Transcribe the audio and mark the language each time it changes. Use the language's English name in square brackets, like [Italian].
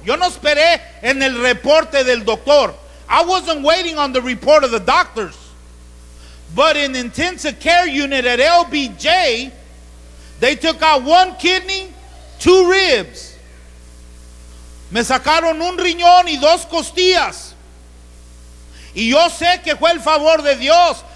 [Spanish] Yo no esperé en el reporte del doctor. [English] I wasn't waiting on the report of the doctors. But in intensive care unit at LBJ, they took out one kidney, two ribs. [Spanish] Me sacaron un riñón y dos costillas. Y yo sé que fue el favor de Dios.